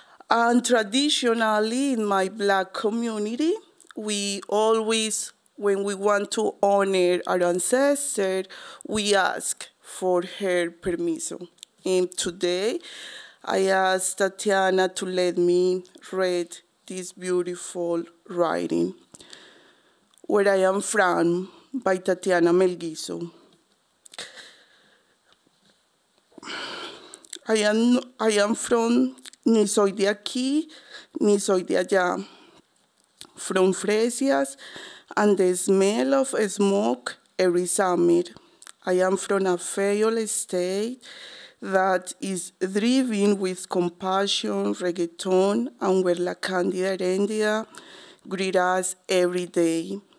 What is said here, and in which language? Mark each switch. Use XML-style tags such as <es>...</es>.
<en>And traditionally in my Black community, we always, when we want to honor our ancestor, we ask for her permission. And today, I asked Tatiana to let me read this beautiful writing, Where I Am From, by Tatiana Melguizo. I am from</en> <es>ni soy de aquí, ni soy de allá.</es> <en>From Fresias and the smell of smoke every summer. I am from a failed state that is driven with compassion, reggaeton, and where La Candida Herendia greet us every day.</en>